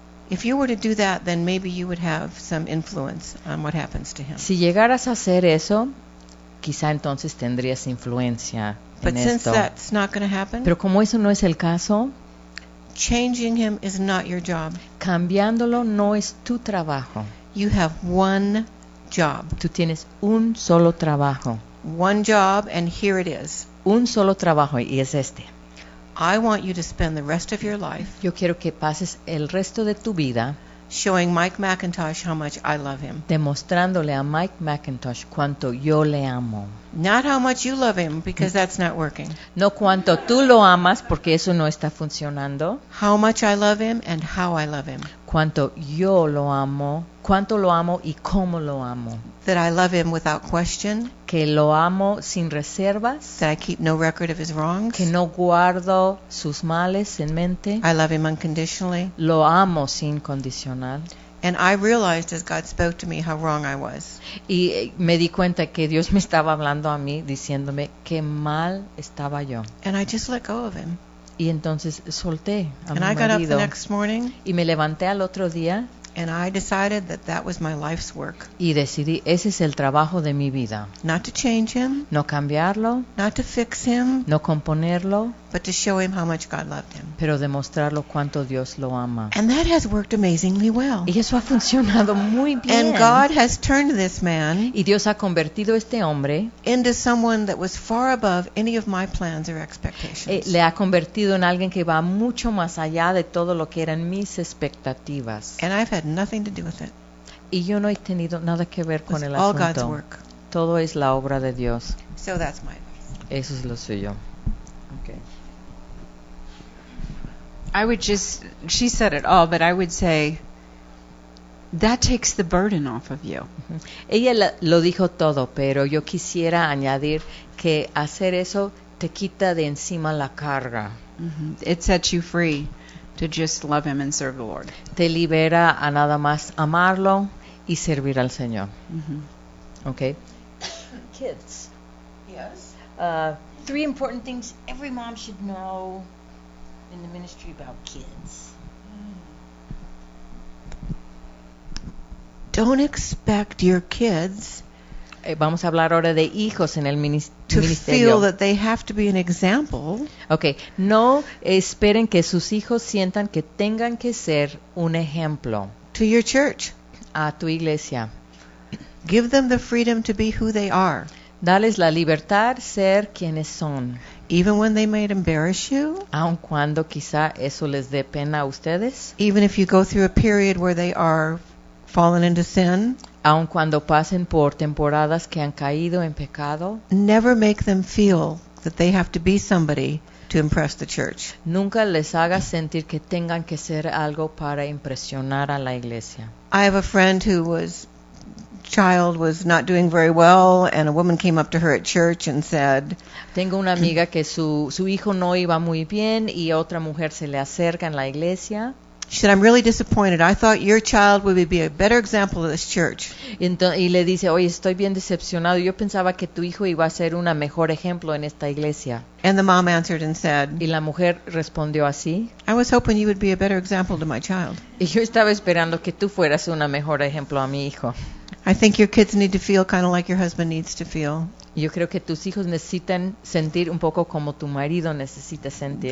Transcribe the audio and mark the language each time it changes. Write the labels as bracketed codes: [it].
[en] If you were to do that, then maybe you would have some influence on what happens to him. [es] Si llegaras a hacer eso, quizá entonces tendrías influencia. [en] But since [es] esto. [en] That's not going to happen, [es] pero como eso no es el caso, [en] changing him is not your job. [es] Cambiándolo no es tu trabajo. [en] You have one job. [es] Tú tienes un solo trabajo. [en] One job, and here it is. [es] Un solo trabajo, y es este. [en] I want you to spend the rest of your life. [es] Yo quiero que pases el resto de tu vida. [en] Showing Mike McIntosh how much I love him. [es] Demostrándole a Mike McIntosh cuánto yo le amo. [en] Not how much you love him, because that's not working. [es] No cuánto tú lo amas, porque eso no está funcionando. [en] How much I love him and how I love him. [es] Cuánto yo lo amo, cuánto lo amo y cómo lo amo. [en] That I love him without question. [es] Que lo amo sin reservas. [en] That I keep no record of his wrongs. [es] Que no guardo sus males en mente. [en] I love him unconditionally. [es] Lo amo sin condicional. [en] And I realized as God spoke to me how wrong I was. [es] Y me di cuenta que Dios me estaba hablando a mí, diciéndome qué mal estaba yo. [en] And I just let go of him. [es] Y entonces solté a [en] and [es] mi [en] I got [es] marido. [en] Up the next morning, [es] y me levanté al otro día. [en] And I decided that that was my life's work. [es] Y decidí, ese es el trabajo de mi vida. [en] Not to change him. [es] No cambiarlo. [en] Not to fix him. [es] No componerlo. [en] But to show him how much God loved him. [es] Pero demostrarlo cuánto Dios lo ama. [en] And that has worked amazingly well. [es] Y eso ha funcionado muy bien. [en] And God has turned this man. [es] Y Dios ha convertido este hombre. [en] Into someone that was far above any of my plans or expectations. [es] Le ha convertido en alguien que va mucho más allá de todo lo que eran mis expectativas. [en] And I've had nothing to do with it. [es] Y yo no he tenido nada que ver con el asunto. [en] All God's work. [es] Todo es la obra de Dios. [en] So that's my advice. [es] Eso es lo suyo. [en] I would just, she said it all, but I would say, that takes the burden off of you. [es] Ella lo dijo todo, pero yo quisiera añadir que hacer eso te quita de encima la carga. Mm-hmm. [en] It sets you free to just love him and serve the Lord. [es] Te libera a nada más amarlo y servir al Señor. Mm-hmm. Okay. [en] Kids. Yes. Three important things every mom should know. In the ministry about kids. Don't expect your kids. [es] Vamos a hablar ahora de hijos en el ministerio. [en] To feel that they have to be an example. Okay. [es] No esperen que sus hijos sientan que tengan que ser un ejemplo. [en] To your church. [es] A tu iglesia. [en] Give them the freedom to be who they are. [es] Dales la libertad ser quienes son. [en] Even when they might embarrass you. [es] Aun cuando quizá eso les dé pena a ustedes. [en] Even if you go through a period where they are fallen into sin. [es] Aun cuando pasen por temporadas que han caído en pecado. [en] Never make them feel that they have to be somebody to impress the church. [es] Nunca les hagas sentir que tengan que ser algo para impresionar a la iglesia. [en] I have a friend who was child was not doing very well, and a woman came up to her at church and said, [es] tengo una amiga que su hijo no iba muy bien y otra mujer se le acerca en la iglesia. [en] She said, I'm really disappointed. I thought your child would be a better example to this church. [es] Y le dice, oye, estoy bien decepcionado. Yo pensaba que tu hijo iba a ser un mejor ejemplo en esta iglesia. [en] And the mom answered and said, [es] y la mujer respondió así, [en] I was hoping you would be a better example to my child. [es] Y yo estaba esperando que tú fueras un mejor ejemplo a mi hijo. [en] I think your kids need to feel kind of like your husband needs to feel. [es] Yo creo que tus hijos necesitan sentir un poco como tu marido necesita sentir.